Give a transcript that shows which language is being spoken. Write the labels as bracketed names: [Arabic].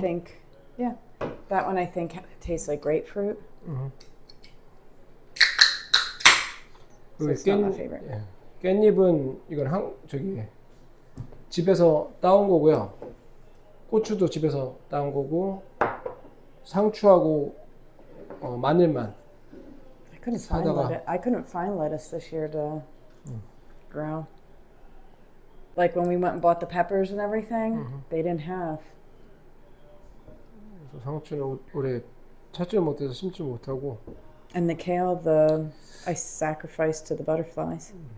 [English] think, yeah, that one I think tastes like grapefruit. So it's not my favorite. [Korean] 깻잎은 이건 집에서 따온 거고요. 고추도 집에서 따온 거고, 상추하고 마늘만 사다가. [English] I couldn't find lettuce this year to grow. Like when we went and bought the peppers and everything, they didn't have. [Korean] 상추는 올해 찾지 못해서 심지 못하고. [English] And the kale, the I sacrificed to the butterflies.